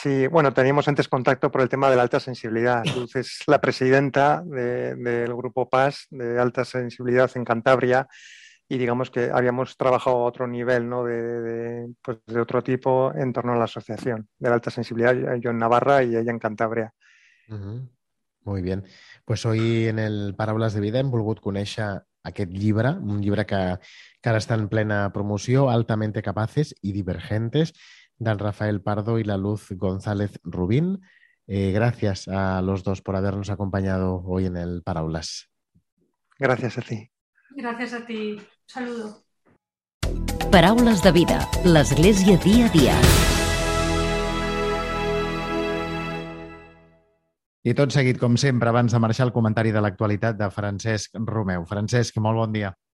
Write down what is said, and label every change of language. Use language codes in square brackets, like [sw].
[es] Bueno, teníamos antes contacto por el tema de la alta sensibilidad. Luz es la presidenta del grupo PAS, de alta sensibilidad en Cantabria, y digamos que habíamos trabajado a otro nivel, ¿no? De otro tipo en torno a la asociación de la alta sensibilidad, yo en Navarra y ella en Cantabria. Muy bien. [ca] Pues hoy en el Paraules de Vida hem volgut conèixer aquest llibre, un llibre que ara està en plena promoció, Altamente Capaces y Divergentes, del Rafael Pardo y la Luz González Rubín. [es] Gracias a los dos por habernos acompañado hoy en el Paraules. Gracias a ti. Gracias a ti. Saludo. [ca] Paraules de Vida, l'Església dia a dia. I tot seguit, com sempre, abans de marxar, el comentari de l'actualitat de Francesc Romeu. Francesc, molt bon dia.